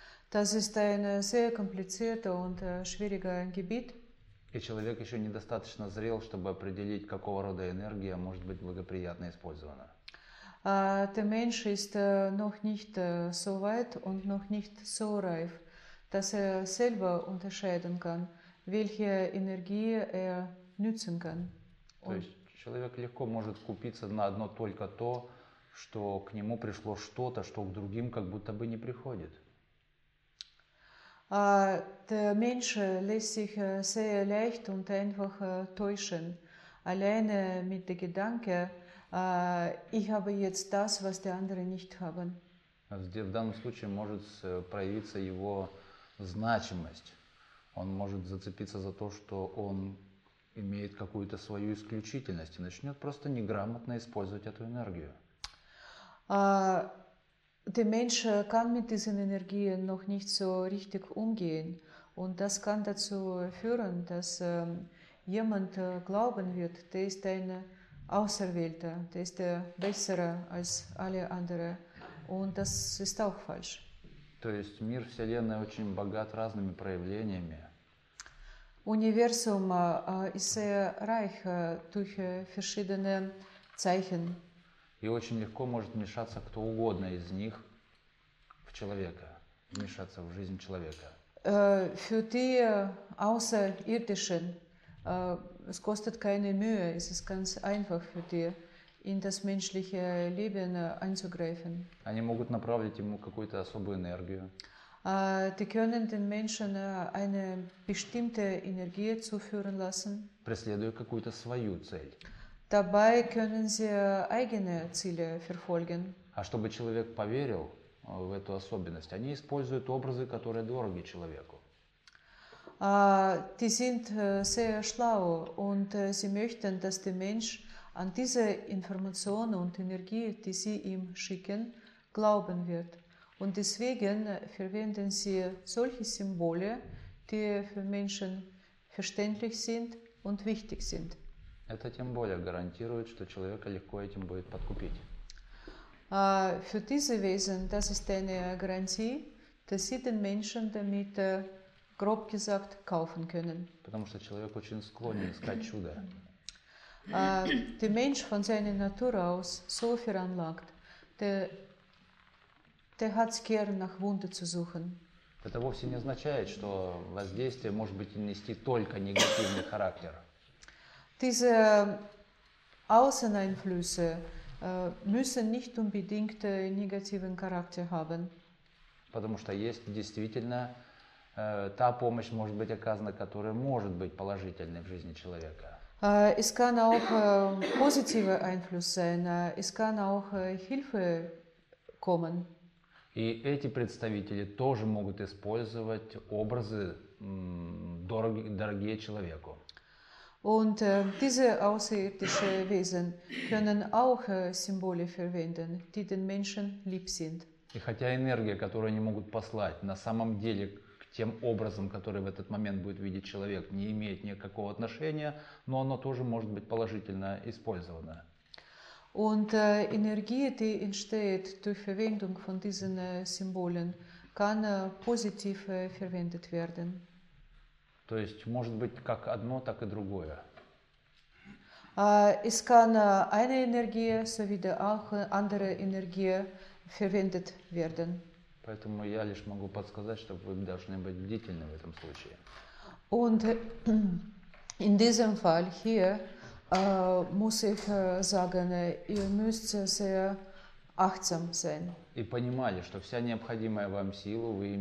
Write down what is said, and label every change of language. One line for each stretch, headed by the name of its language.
German: Das ist ein sehr komplizierter und schwieriger Gebiet.
Russian: И человек еще недостаточно зрел, чтобы определить, какого рода энергия может быть благоприятно использована.
German: Der Mensch ist noch nicht so weit und noch nicht so reif, dass er selber unterscheiden kann, welche Energie er nützen kann.
Russian: То есть человек легко может купиться на одно только то, что к нему пришло что-то, что к другим как будто бы не приходит.
German: Der Mensch lässt sich sehr leicht und einfach täuschen, alleine mit dem Gedanken, ich habe jetzt das, was die anderen nicht haben.
Russian: В данном случае может проявиться его значимость. Он может зацепиться за то, что он имеет какую-то свою исключительность и начнет просто неграмотно использовать эту энергию.
German: Der Mensch kann mit diesen Energien noch nicht so richtig umgehen. Und das kann dazu führen, dass jemand glauben wird, der ist ein Auserwählter, der ist der Bessere als alle anderen. Und das ist auch falsch.
Russian: То есть мир Вселенной очень богат разными проявлениями.
German: Universum ist sehr reich durch verschiedene Zeichen.
Russian: И очень легко может вмешаться кто угодно из них в человека, вмешаться в жизнь человека.
German: Für die Außerirdischen es kostet keine Mühe, es ist ganz einfach für die in das menschliche Leben einzugreifen.
Russian: Они могут направить ему какую-то особую энергию.
German: Die können den Menschen eine bestimmte Energie zuführen lassen.
Russian: Преследуя какую-то свою цель.
German: Dabei können sie eigene Ziele verfolgen.
Russian: А чтобы человек поверил в эту особенность, они используют образы, которые дороги человеку.
German: Die sind sehr schlau und sie möchten, dass der Mensch an diese Informationen und Energie, die sie ihm schicken, glauben wird. Und deswegen verwenden sie solche Symbole, die für Menschen verständlich sind und wichtig sind.
Russian: Это тем более гарантирует, что человека легко этим будет подкупить.
German: Für diese Wesen, das ist eine Garantie, dass sie den Menschen damit, grob gesagt, kaufen können.
Russian: Потому что человек очень склонен искать чудо.
German: Der Mensch von seiner Natur aus so veranlagt, der hat es gern nach Wunder zu suchen.
Russian: Это вовсе не означает, что воздействие может быть нести только негативный характер.
German: Diese Außeneinflüsse müssen nicht unbedingt negativen Charakter haben.
Russian: Потому что есть действительно та помощь может быть оказана, которая может быть положительной в жизни человека.
German: Es kann auch positive Einflüsse sein, es kann auch Hilfe kommen.
Russian: И эти представители тоже могут использовать образы, дорогие человеку.
German: Und diese außerirdischen Wesen können auch Symbole verwenden, die den Menschen lieb sind.
Russian: И хотя энергия, которую они могут послать, на самом деле к тем образом, который в этот момент будет видеть человек, не имеет никакого отношения, но оно тоже может быть положительно использовано.
German: Und Energie, die entsteht durch Verwendung von diesen Symbolen, kann positiv verwendet werden.
Russian: То есть может быть как одно, так и другое.
German: Es kann eine Energie sowie auch andere Energie verwendet werden.
Russian: Поэтому я лишь могу подсказать, чтобы вы должны быть бдительны в этом случае.
German: Und in diesem Fall hier muss ich sagen, ihr müsst sehr achtsam sein.
Russian: И понимали, что вся необходимая вам сила вы